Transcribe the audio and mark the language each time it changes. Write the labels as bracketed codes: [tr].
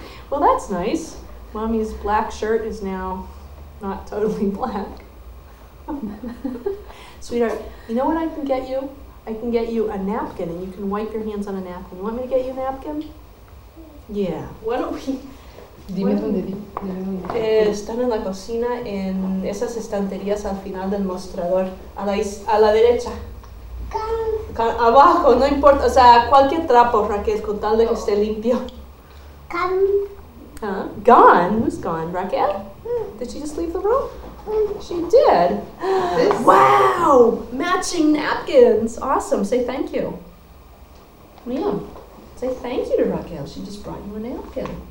[en] Well, that's nice. Mommy's black shirt is now not totally black. Sweetheart, you know what I can get you? I can get you a napkin and you can wipe your hands on a napkin. You want me to get you a napkin? Yeah. Why don't we... [es] Dime dónde vi. Están en la cocina, en esas estanterías al final del mostrador, a la derecha. Abajo, no importa. O sea, cualquier trapo, Raquel, con tal de que esté limpio. [en] Gone. Huh? Gone? Who's gone, Raquel? Did she just leave the room? She did. Wow! Matching napkins. Awesome. Say thank you. Liam, say thank you to Raquel. She just brought you a napkin.